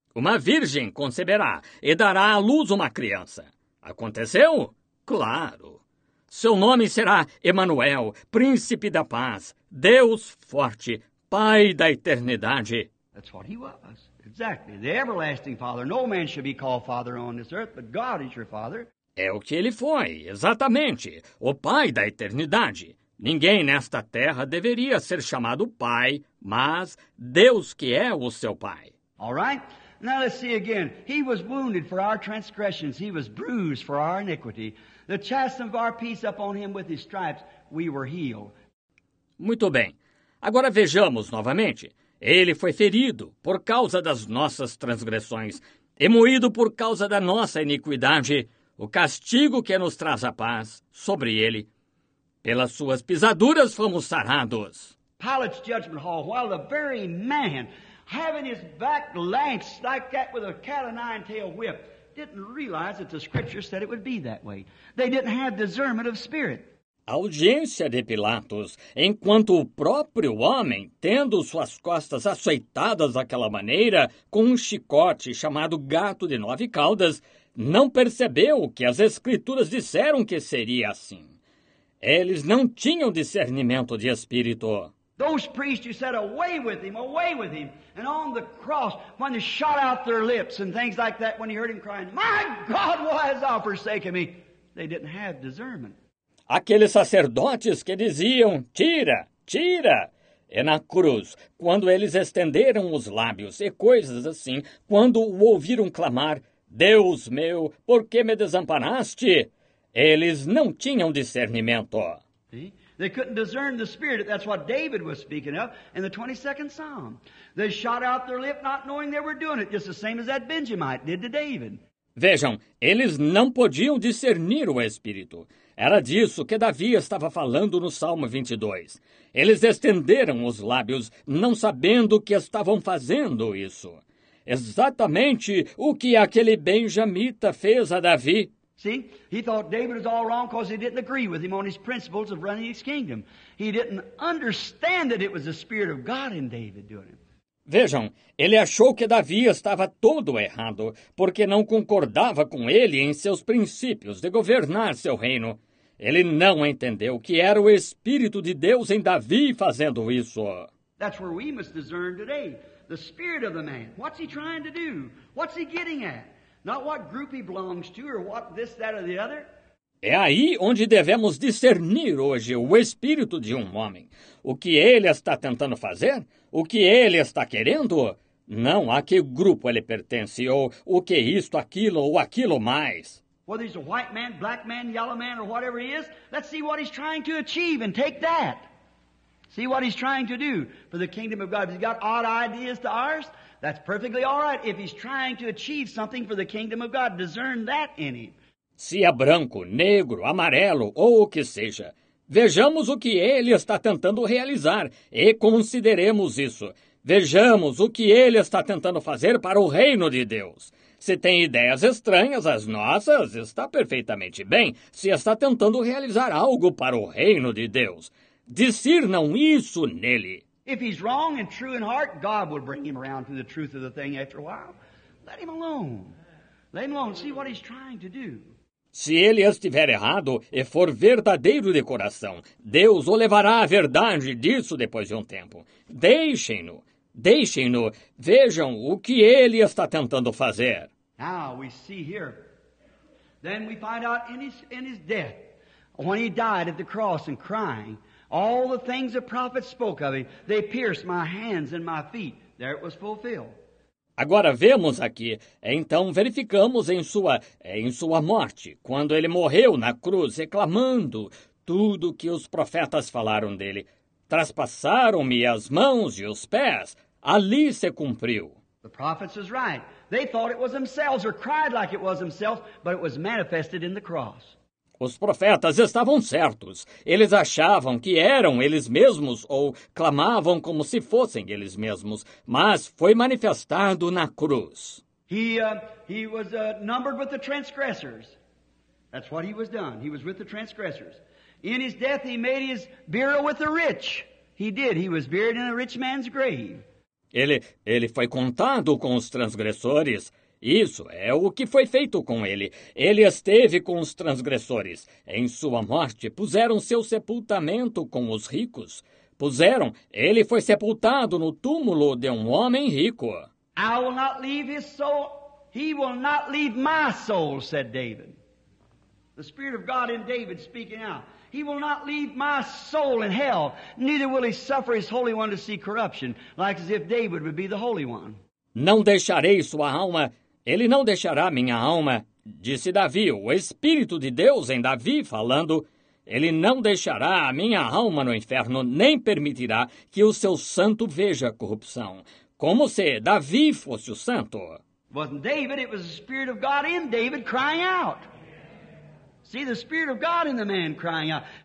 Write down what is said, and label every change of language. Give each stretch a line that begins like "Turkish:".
Portuguese: Uma virgem conceberá e dará à luz uma criança. Aconteceu? Claro. Seu nome será Emmanuel, Príncipe da Paz, Deus Forte, Pai da Eternidade.
English: That's what he was. Exactly. The Everlasting Father. No man shall be called Father on this earth, but God is your Father.
Portuguese: É o que ele foi, exatamente. O Pai da Eternidade. Ninguém nesta terra deveria ser chamado pai, mas Deus que é o seu pai.
English: All right. Now let's see again. He was wounded for our transgressions. He was bruised for our iniquity. The chastisement of our peace upon him with his stripes, we were healed.
Portuguese: Muito bem. Agora vejamos novamente. Ele foi ferido por causa das nossas transgressões e moído por causa da nossa iniquidade. O castigo que nos traz a paz sobre ele. Pelas suas pisaduras fomos sarados.
English: Pilate's judgment hall, while the very man having his back lanced like that with a cat of nine tail whip didn't realize that the scripture said it would be that way. They didn't have discernment of spirit.
Portuguese: A audiência de Pilatos, enquanto o próprio homem, tendo suas costas açoitadas daquela maneira com um chicote chamado gato de nove caudas, não percebeu que as escrituras disseram que seria assim. Eles não tinham discernimento de espírito.
English: Those priests who said, away with him, away with him. And on the cross, when they shot out their lips and things like that, when he heard him crying, my God, why has thou forsaken me? They didn't have discernment.
Portuguese: Aqueles sacerdotes que diziam, tira, tira. E na cruz, quando eles estenderam os lábios e coisas assim, quando o ouviram clamar, Deus meu, por que me desamparaste? Eles não tinham discernimento.
English: They couldn't discern the spirit. That's what David was speaking of in the 22nd Psalm. They shot out their lip not knowing they were doing it, just the same as that Benjamite did to David.
Portuguese: Vejam, eles não podiam discernir o espírito. Era disso que Davi estava falando no Salmo 22. Eles estenderam os lábios, não sabendo que estavam fazendo isso. Exatamente o que aquele benjamita fez a Davi.
English: See, he thought David was all wrong because he didn't agree with him on his principles of running his kingdom. He didn't understand that it was the Spirit of God in David doing it.
Portuguese: Vejam, ele achou que Davi estava todo errado, porque não concordava com ele em seus princípios de governar seu reino. Ele não entendeu que era o Espírito de Deus em Davi fazendo isso.
English: That's where we must discern today. The spirit of the man. What's he trying to do? What's he getting at? Not what group he belongs to or what this, that or the other.
Portuguese: É aí onde devemos discernir hoje o espírito de um homem. O que ele está tentando fazer? O que ele está querendo? Não a que grupo ele pertence ou o que isto, aquilo ou aquilo mais.
English: Whether he's a white man, black man, yellow man or whatever he is, let's see what he's trying to achieve and take that. See what he's trying to do for the kingdom of God. If he's got odd ideas to ours, that's perfectly all right. If he's trying to achieve something for the kingdom of God, discern that in him.
Portuguese: Se é branco, negro, amarelo ou o que seja, vejamos o que ele está tentando realizar e consideremos isso. Vejamos o que ele está tentando fazer para o reino de Deus. Se tem ideias estranhas às nossas, está perfeitamente bem se está tentando realizar algo para o reino de Deus. Discernam isso nele.
English: If he's wrong and true in heart, God will bring him around to the truth of the thing after a while. Let him alone. Let him alone. See what he's trying to do.
Portuguese: Se ele estiver errado e for verdadeiro de coração, Deus o levará à verdade disso depois de um tempo. Deixem-no. Deixem-no. Vejam o que ele está tentando fazer.
English: Now we see here. Then we find out in his death, when he died at the cross and crying, all the things the prophets spoke of him, they pierced my hands and my feet. There it was fulfilled.
Portuguese: Agora vemos aqui, então verificamos em sua morte, quando ele morreu na cruz, reclamando tudo que os profetas falaram dele. Traspassaram-me as mãos e os pés, ali se cumpriu.
English: The prophets was right. They thought it was themselves or cried like it was themselves, but it was manifested in the cross.
Portuguese: Os profetas estavam certos. Eles achavam que eram eles mesmos ou clamavam como se fossem eles mesmos, mas foi manifestado na cruz.
English: He was numbered with the transgressors. That's what he was done. He was with the transgressors. In his death he made his burial with the rich. He did. He was buried in a rich man's grave.
Portuguese: Ele foi contado com os transgressores. Isso é o que foi feito com ele. Ele esteve com os transgressores. Em sua morte, puseram seu sepultamento com os ricos. Ele foi sepultado no túmulo de um homem rico.
English: I will not leave his soul. He will not leave my soul, said David. The Spirit of God in David speaking out. He will not leave my soul in hell. Neither will he suffer his holy one to see corruption, like as if David would be the holy one.
Portuguese: Não deixarei sua alma. Ele não deixará minha alma, disse Davi, o Espírito de Deus em Davi falando. Ele não deixará a minha alma no inferno, nem permitirá que o seu santo veja a corrupção. Como se Davi fosse o santo.
English: Wasn't David, it was the Spirit of God in David crying out. See, the Spirit of God in the man crying out.